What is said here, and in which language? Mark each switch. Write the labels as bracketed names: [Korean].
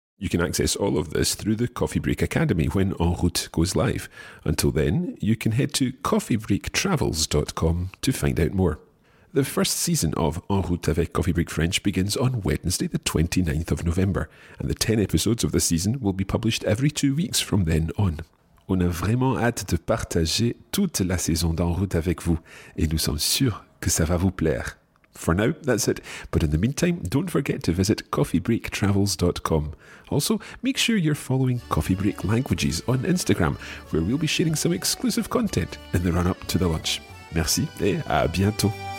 [English] You can access all of this through the Coffee Break Academy when En Route goes live. Until then, you can head to coffeebreaktravels.com to find out more. The first season of En Route avec Coffee Break French begins on Wednesday, the 29th of November, and the 10 episodes of the season will be published every 2 weeks from then on. [French] On a vraiment hâte de partager toute la saison d'En Route avec vous, et nous sommes sûrs que ça va vous plaire. [English] For now, that's it. But in the meantime, don't forget to visit coffeebreaktravels.com. Also, make sure you're following Coffee Break Languages on Instagram, where we'll be sharing some exclusive content in the run-up to the launch. [French] Merci et à bientôt.